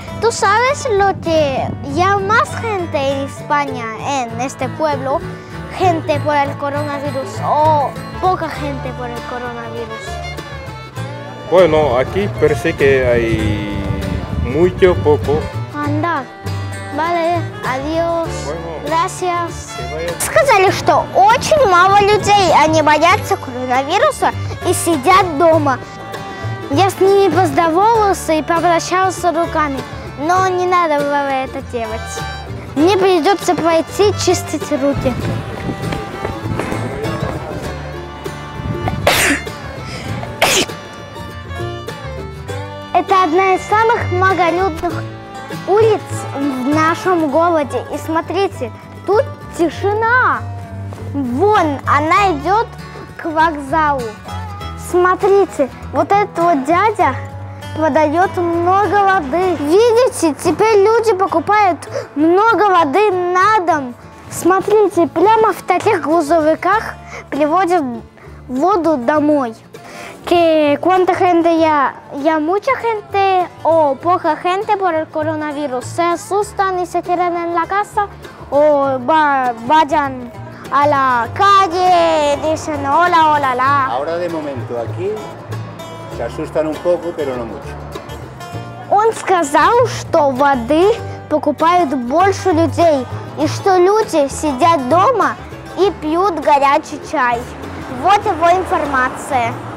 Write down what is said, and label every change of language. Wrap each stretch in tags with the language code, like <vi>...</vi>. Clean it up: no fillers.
<es>¿Tú sabes lo que ya más gente en España, en este pueblo, gente por el coronavirus o poca gente por el coronavirus? Bueno, aquí parece que hay mucho poco. Anda. Vale, adiós. Bueno. Gracias.</es> <ru>Сказали, что очень мало людей, они боятся коронавируса и сидят дома. Я с ними поздоровался и попрощался руками, но не надо было это делать. Мне придется пойти чистить руки. Это одна из самых многолюдных улиц в нашем городе. И смотрите, тут тишина. Вон, она идет к вокзалу. Смотрите, вот этот вот дядя продает много воды. Видите, теперь люди покупают много воды на дом. Смотрите, прямо в таких грузовиках приводят воду домой.</ru> <es>¿Cuánta gente ya? ¿Ya mucha gente o poca gente por el coronavirus? ¿Se asustan y se quedan en la casa o vayan a la calle y dicen hola, hola, la? Ahora de momento aquí Se asustan un poco, pero no mucho.</es> <ru>Он сказал, что воды покупают больше людей, и что люди сидят дома и пьют горячий чай. Вот его информация.</ru>